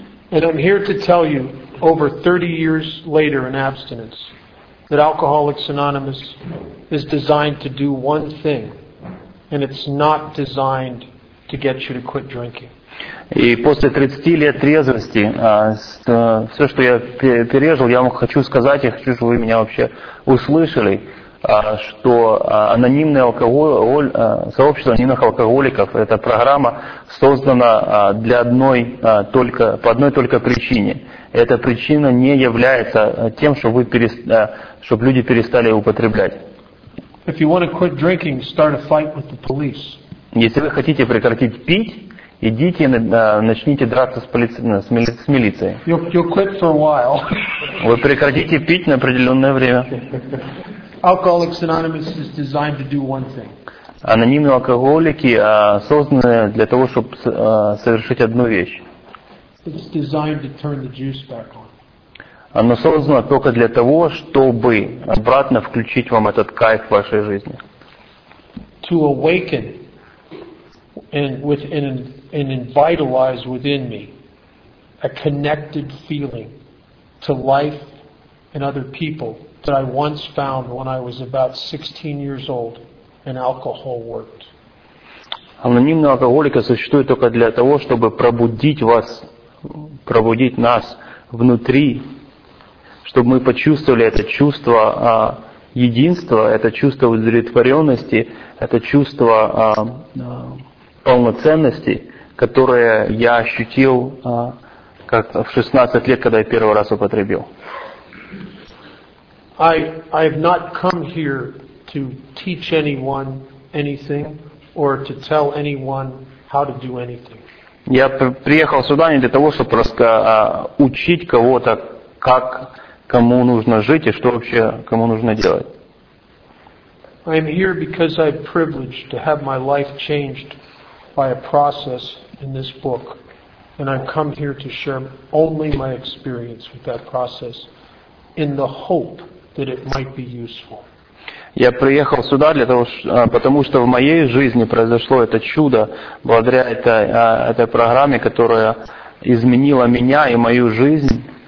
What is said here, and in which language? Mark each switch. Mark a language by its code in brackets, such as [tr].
[en] And I'm here to tell you, over 30 years later in abstinence, that Alcoholics Anonymous is designed to do one thing, and it's not designed to get you to quit drinking. [ru] И после 30 лет трезвости, все, что я пережил, я вам хочу сказать, я хочу, чтобы вы меня вообще услышали, что анонимное сообщество анонимных алкоголиков, эта программа создана для одной только, по одной только причине. Эта причина не является тем, чтобы, чтобы люди перестали употреблять. Если вы хотите прекратить пить, идите, начните драться с милицией. [en] You'll quit for a while. [ru] Вы прекратите пить на определенное время. [en] Alcoholics Anonymous is designed to do one thing. [ru] Анонимные алкоголики созданы для того, чтобы совершить одну вещь. [en] It's designed to turn the juice back on. [ru] Оно создано только для того, чтобы обратно включить вам этот кайф в вашей жизни. [en] To awaken and within and vitalize within me a connected feeling to life and other people that I once found when I was about 16 years old and alcohol worked. [ru] Анонимные алкоголики существуют только для того, чтобы пробудить вас, пробудить нас внутри, чтобы мы почувствовали это чувство единства, это чувство удовлетворенности, это чувство полноценности, которое я ощутил как в 16 лет, когда я первый раз употребил. [en] I have not come here to teach anyone anything or to tell anyone how to do anything. [ru] Я приехал сюда не для того, чтобы просто учить кого-то, как кому нужно жить и что вообще кому нужно делать. [en] I am here because I'm privileged to have my life changed by a process in this book, and I've come here to share only my experience with that process in the hope that it might be useful. [ru] Я приехал сюда для того, потому что в моей жизни произошло это чудо благодаря этой программе, которая изменила меня и мою жизнь,